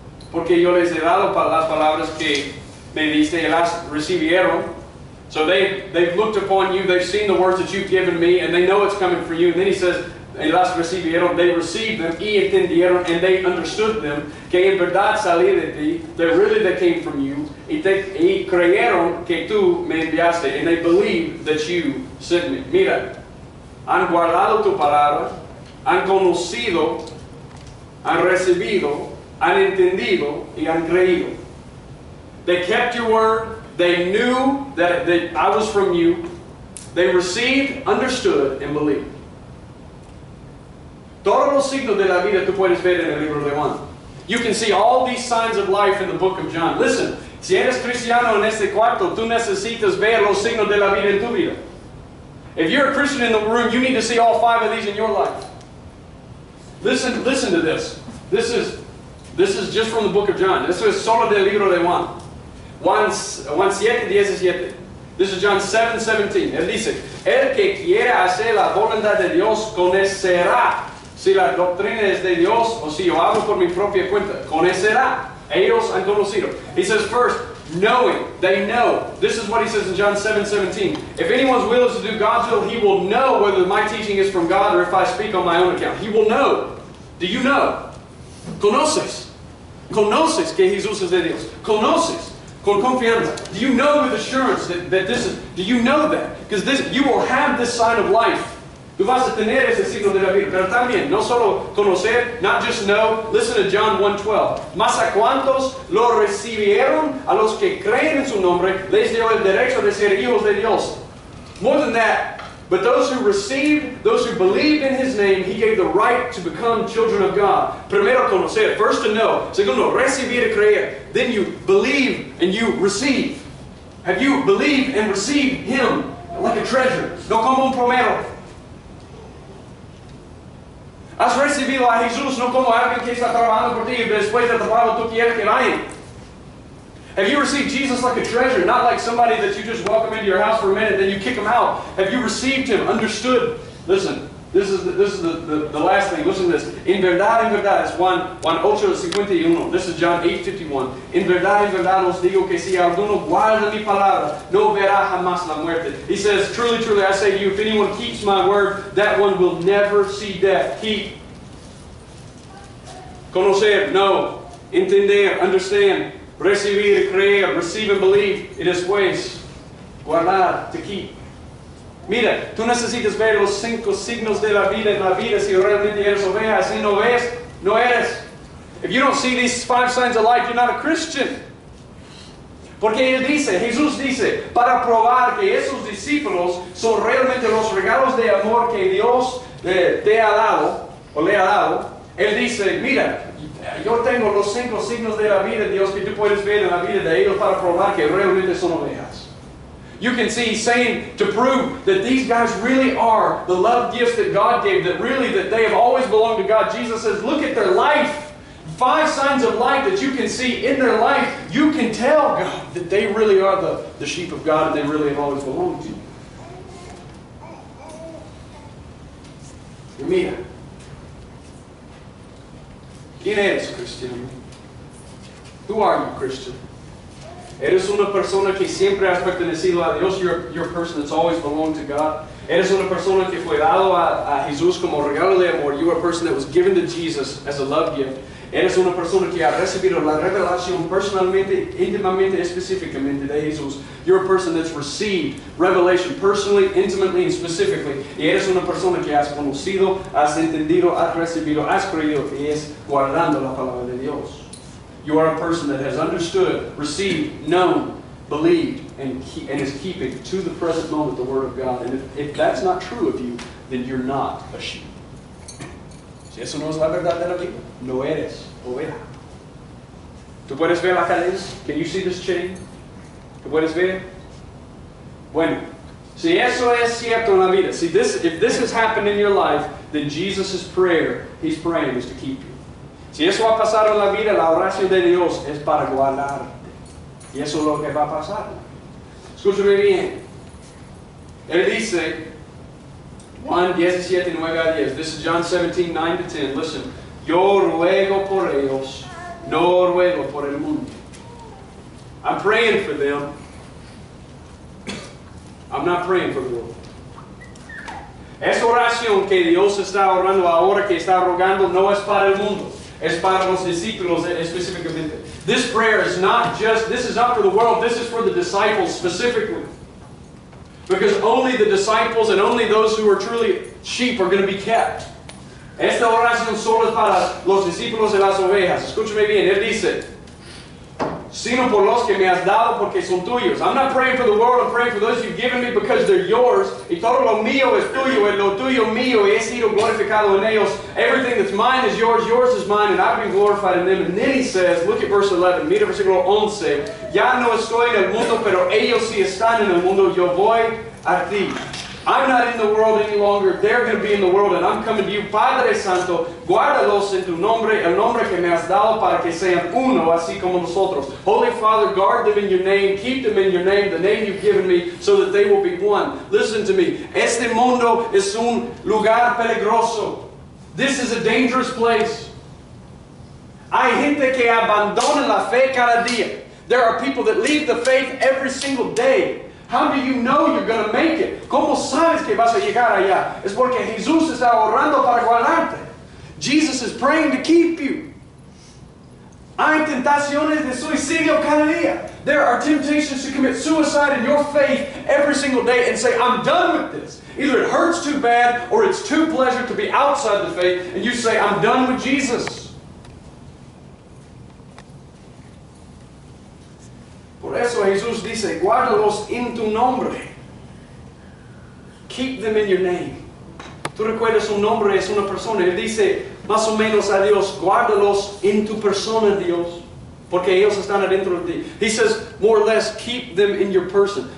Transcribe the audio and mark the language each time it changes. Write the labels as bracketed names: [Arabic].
[Spanish] Porque yo les he dado las palabras que me diste y las recibieron. [English] So they've looked upon you, they've seen the words that you've given me, and they know it's coming from you. And then he says, [Spanish] y las recibieron, [English] they received them, [Spanish] y entendieron, [English] and they understood them, [Spanish] que en verdad salí de ti, [English] that really they came from you, [Spanish] y creyeron que tú me enviaste, [English] and they believed that you sent me. [Spanish] Mira, han guardado tu palabra, han conocido, han recibido, han entendido, y han creído. [English] They kept your word, they knew that I was from you, they received, understood, and believed. [Spanish] Todos los signos de la vida tú puedes ver en el libro de Juan. [English] You can see all these signs of life in the book of John. Listen, [Spanish] si eres cristiano en este cuarto, tú necesitas ver los signos de la vida en tu vida. [English] If you're a Christian in the room, you need to see all five of these in your life. Listen to this. This is just from the book of John. [Spanish] Esto es solo del libro de Juan. Juan 7:17. [English] This is John 7:17. [Spanish] Él dice, el que quiera hacer la voluntad de Dios conocerá. Si la doctrina es de Dios, o si yo hablo por mi propia cuenta, conocerá. Ellos han conocido. [English] He says first, knowing, they know. This is what he says in John 7:17. If anyone's will is to do God's will, he will know whether my teaching is from God or if I speak on my own account. He will know. Do you know? [Spanish] Conoces. Conoces que Jesús es de Dios. Conoces. Con confianza. [English] Do you know with assurance that this is, do you know that? Because this, you will have this sign of life. [Spanish] Tú vas a tener ese signo de la vida, pero también, no solo conocer, [English] not just know, [Spanish] listen to John 1:12. Mas a cuantos lo recibieron, a los que creen en su nombre, les dio el derecho de ser hijos de Dios. [English] More than that, but those who received, those who believed in his name, he gave the right to become children of God. [Spanish] Primero conocer, [English] first to know, [Spanish] segundo recibir y creer, [English] then you believe and you receive. Have you believed and received him like a treasure? [Spanish] No como un plomero. Has recibido a Jesús no como alguien que está trabajando por ti, pero después de trabajo tú quieres que vaya. [English] Have you received Jesus like a treasure, not like somebody that you just welcome into your house for a minute, then you kick him out? Have you received him, understood? Listen, this is the last thing. Listen to this. [Spanish] En verdad, es Juan 8:51. [English] This is John 8:51. [Spanish] En verdad os digo que si alguno guarda mi palabra, no verá jamás la muerte. [English] He says, truly, truly, I say to you, if anyone keeps my word, that one will never see death. Keep. [Spanish] Conocer, [English] know. [Spanish] Entender, [English] understand. [Spanish] Recibir, creer, [English] receive and believe. [Spanish] Y después, guardar, to keep. Mira, tú necesitas ver los cinco signos de la vida en la vida si realmente eres oveja. Si no ves, no eres. [English] If you don't see these five signs of life, you're not a Christian. [Spanish] Porque él dice, Jesús dice, para probar que esos discípulos son realmente los regalos de amor que Dios te ha dado, o le ha dado, él dice, mira, yo tengo los cinco signos de la vida, Dios, que tú puedes ver en la vida de ellos para probar que realmente son ovejas. [English] You can see he's saying to prove that these guys really are the love gifts that God gave, that really that they have always belonged to God. Jesus says, look at their life. Five signs of life that you can see in their life. You can tell God that they really are the sheep of God and they really have always belonged to you. [Spanish] Mira. ¿Quién eres, Christian? [English] Who are you, Christian? [Spanish] ¿Eres una persona que siempre has pertenecido a Dios? [English] You're a person that's always belonged to God. [Spanish] ¿Eres una persona que fue dado a Jesús como regalo de amor? [English] You're a person that was given to Jesus as a love gift. [Spanish] ¿Eres una persona que ha recibido la revelación personalmente, íntimamente, específicamente de Jesús? [English] You're a person that's received revelation personally, intimately, and specifically. [Spanish] ¿Y eres una persona que has conocido, has entendido, has recibido, has creído, y es guardando la palabra de Dios? [English] You are a person that has understood, received, known, believed, and is keeping to the present moment the Word of God. And if that's not true of you, then you're not a sheep. [Spanish] Si eso no es la verdad de la vida, no eres oveja. ¿Tú puedes ver la cadena? [English] Can you see this chain? [Spanish] ¿Tú puedes ver? Bueno, si eso es cierto en la vida, [English] see, this, if this has happened in your life, then Jesus' prayer, he's praying, is to keep you. [Spanish] Si eso ha pasado en la vida, la oración de Dios es para guardarte. Y eso es lo que va a pasar. Escúchame bien. Él dice, Juan 17:9-10. [English] This is John 17:9-10. Listen. [Spanish] Yo ruego por ellos, no ruego por el mundo. [English] I'm praying for them. I'm not praying for the world. [Spanish] Esa oración que Dios está orando ahora, que está rogando, no es para el mundo. Es para los discípulos específicamente. [English] This prayer is not just, this is not for the world, this is for the disciples specifically. Because only the disciples and only those who are truly sheep are going to be kept. [Spanish] Esta oración solo es para los discípulos y las ovejas. Escúchame bien, él dice, sino por los que me has dado porque son tuyos. [English] I'm not praying for the world, I'm praying for those you've given me because they're yours. [Spanish] Y todo lo mío es tuyo, y lo tuyo mío, y he sido glorificado en ellos. [English] Everything that's mine is yours, yours is mine, and I've been glorified in them. And then he says, look at verse 11, [Spanish] mira versículo 11. Ya no estoy en el mundo, pero ellos sí están en el mundo. Yo voy a ti. [English] I'm not in the world any longer. They're going to be in the world, and I'm coming to you. [Spanish] Padre Santo, guárdalos en tu nombre, el nombre que me has dado para que sean uno, así como nosotros. [English] Holy Father, guard them in your name. Keep them in your name, the name you've given me, so that they will be one. Listen to me. [Spanish] Este mundo es un lugar peligroso. [English] This is a dangerous place. [Spanish] Hay gente que abandona la fe cada día. [English] There are people that leave the faith every single day. How do you know you're going to make it? [Spanish] ¿Cómo sabes que vas a llegar allá? Es porque Jesús está orando para guardarte. [English] Jesus is praying to keep you. [Spanish] Hay tentaciones de suicidio cada día. [English] There are temptations to commit suicide in your faith every single day and say, I'm done with this. Either it hurts too bad or it's too pleasure to be outside the faith and you say, I'm done with Jesus. [Spanish] Por eso Jesús dice, guárdalos en tu nombre. [English] Keep them in your name. [Spanish] Tú recuerdas un nombre, es una persona. Él dice, más o menos a Dios, guárdalos en tu persona, Dios. Porque ellos están adentro de ti. [English] He says, more or less, keep them in your person.